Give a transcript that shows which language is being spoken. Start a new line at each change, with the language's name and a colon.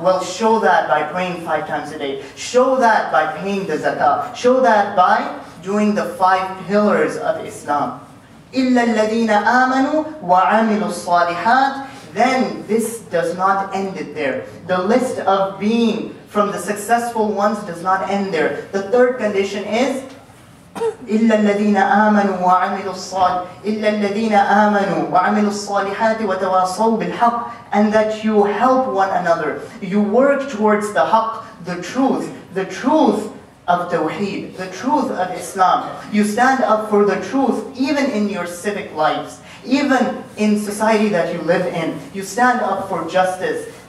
English: Well, show that by praying five times a day. Show that by paying the zakah. Show that by doing the five pillars of Islam.
Arabic: إِلَّا الَّذِينَ آمَنُوا وَعَمِلُوا الصَّالِحَاتِ.
English: Then this does not end it there. The list of being from the successful ones does not end there. The third condition is,
Arabic: إِلَّا الَّذِينَ آمَنُوا وَعَمِلُوا الصَّالِحَاتِ إِلَّا الَّذِينَ آمَنُوا وَعَمِلُوا الصَّالِحَاتِ وَتَوَاصَوْا بِالْحَقِّ.
English: And that you help one another. You work towards the haqq, the truth of tawheed, the truth of Islam. You stand up for the truth even in your civic lives, even in society that you live in. You stand up for justice.